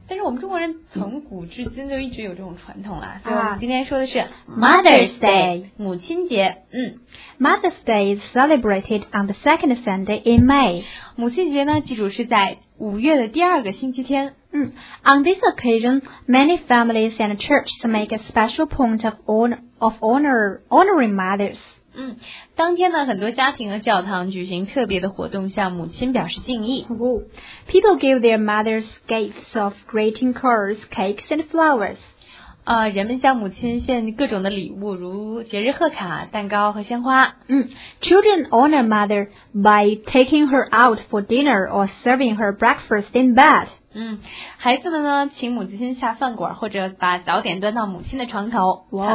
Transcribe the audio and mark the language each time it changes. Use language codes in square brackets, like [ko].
[zh] 但是我们中国人从古至今都一直有这种传统啦、所以我们今天说的是 [en] Mother's Day [zh] 母亲节、 [en] Mother's Day is celebrated on the second Sunday in May [zh] 母亲节呢记住是在五月的第二个星期天 [en] On this occasion, many families and churches make a special point of honoring mothers. [zh] 当天呢，很多家庭和教堂举行特别的活动，向母亲表示敬意。 [en] People give their mothers gifts of greeting cards, cakes, and flowers. [zh] 人们向母亲献各种的礼物，如节日贺卡、蛋糕和鲜花。 [en] Children honor mother by taking her out for dinner or serving her breakfast in bed. [zh] 孩子们呢请母亲下饭馆或者把早点端到母亲的床头。